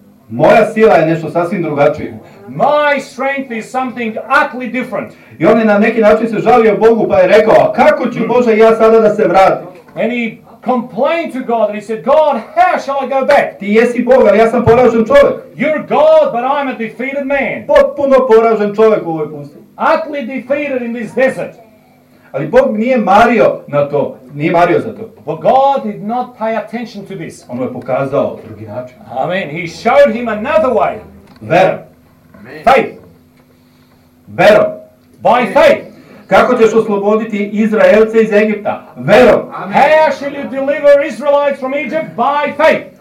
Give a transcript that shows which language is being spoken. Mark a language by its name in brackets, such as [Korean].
[Serbian] Moja sila je nešto sasvim drugačije. [English] My strength is something utterly different. [Serbian] I on je na neki način se žalio Bogu pa je rekao, a kako ću Bože ja sada da se vratim? [English] And he complained to God and he said, God, how shall I go back? [Serbian] Ti jesi Bog, ali ja sam poražen čovjek. [English] You're God, but I'm a defeated man. [Serbian] Potpuno poražen čovjek u ovoj pustinji. [English] Utterly defeated in this desert. [Serbian] Ali Bog nije mario na to, nije mario za to. [English] But God did not pay attention to this. [Serbian] On mu je pokazao drugi način. [English] Amen. He showed him another way. [Serbian] Vera. [English] Faith. [Serbian] Verom. [English] By faith. [Serbian] Kako ćeš osloboditi Izraelce iz Egipta? Verom. [English] Amen. How shall you deliver Israelites from Egypt? By faith.